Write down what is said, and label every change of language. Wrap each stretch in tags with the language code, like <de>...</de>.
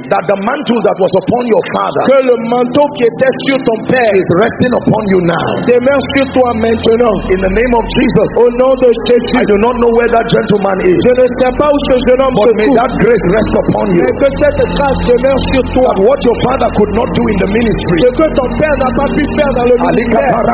<en>that the mantle that was upon your father,</en> <fr>que le manteau qui était sur ton père,</fr> <en>is resting upon you now.</en> <fr>Demeure sur toi maintenant.</fr> <en>In the name of Jesus.</en> <fr>Au nom de Jésus.</fr> <en>I do not know where that gentleman is.</en> <fr>Je ne sais pas où ce jeune homme se trouve.</fr> <en>But may that grace rest upon you.</en> <fr>Mais que cette grâce demeure sur toi.</fr> <en>That what your father could not do in the ministry.</en> <fr>Ton père n'a pas pu faire dans le ministère.</fr>